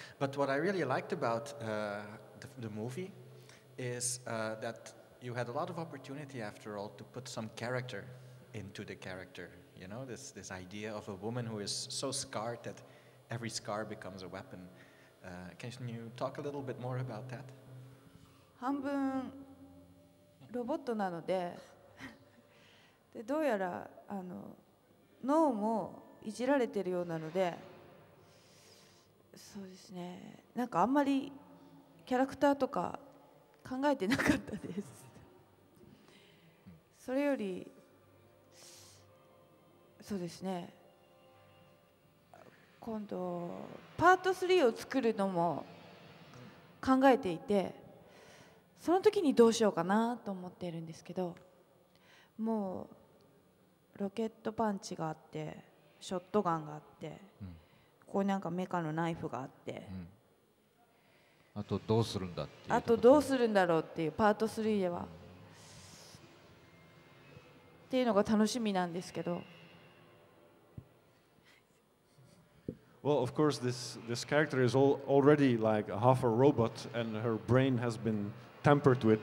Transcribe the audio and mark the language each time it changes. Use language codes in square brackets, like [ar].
[en] But what I really liked about the movie is that you had a lot of opportunity, after all, to put some character into the character. You know, this idea of a woman who is so scarred that every scar becomes a weapon. Can you talk a little bit more about that? [ja] 半分ロボットなのでで、どうやら脳もいじられてるようなので、そうですね、なんかあんまりキャラクターとか考えてなかったです。それよりそうですね、今度パート3を作るのも考えていて、その時にどうしようかなと思っているんですけど、もうロケットパンチがあって、ショットガンがあって、うん、ここになんかメカのナイフがあって、うん、あとどうするんだっていう、あとどうするんだろうっていうパート3ではっていうのが楽しみなんですけど。 [en] Well, of course, this character is already like half a robot, and her brain has been tampered with.